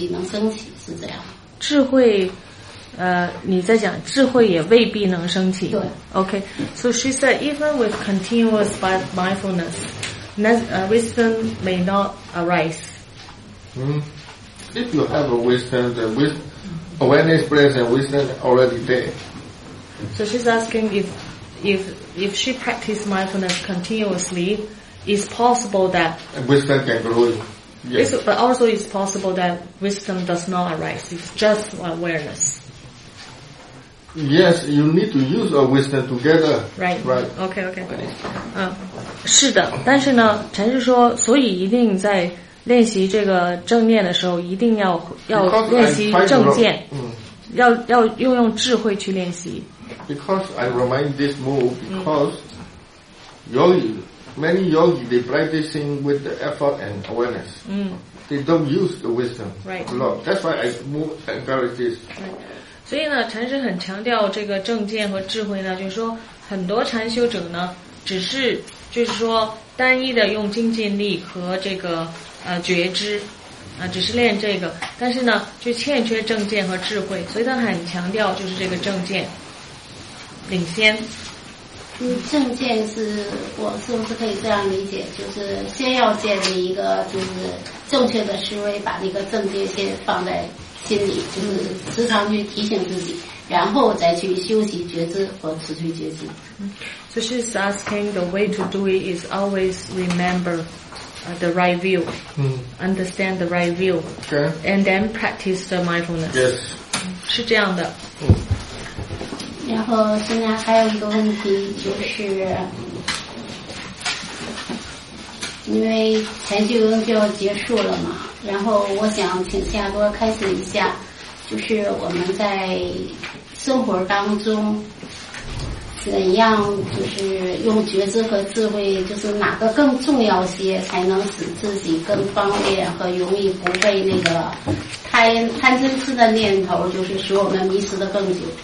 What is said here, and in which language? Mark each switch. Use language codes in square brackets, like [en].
[zh] 现在其实我现在明白了，觉知是支持所有的善心，但是觉知就是哪怕是持续的觉知，智慧也未必能升起，是这样。智慧，你在讲智慧也未必能升起。对。 [en] Okay, so she said even with continuous mindfulness, wisdom may not arise. If you have a wisdom, the awareness present wisdom already there. So she's asking if she practices mindfulness continuously, it's possible that wisdom can grow. Yes. But also it's possible that wisdom does not arise. It's just awareness. Yes, you need to use a wisdom together. Right. Okay. [zh] 是的，但是呢，禅师说，所以一定在练习这个正念的时候，一定要练习正见，要运用智慧去练习。 [en] Because I remind this move, because yogi, many yogi, they practicing with the effort and awareness. They don't use the wisdom a lot. That's why I move encourage this. [zh] 所以呢，禅师很强调这个正见和智慧呢，就是说很多禅修者呢，只是就是说单一的用精进力和这个觉知。只是练这个，但是呢就欠缺正见和智慧，所以他很强调就是这个正见领先。正见是我是不是可以这样理解，就是先要建立一个就是正确的思维，把那个正见先放在心里，就是时常去提醒自己，然后再去修习觉知和持续觉知。 [en] So she's asking the way to do it is always rememberthe right view, understand the right view, and then practice the mindfulness. Yes. [zh] 是这样的。然后现在还有一个问题，就是因为前几个就要结束了嘛，然后我想请夏多开始一下，就是我们在生活当中怎样就是用觉知和智慧，就是哪个更重要些，才能使自己更方便和容易不被那个贪嗔痴的念头，就是使我们迷失的更久。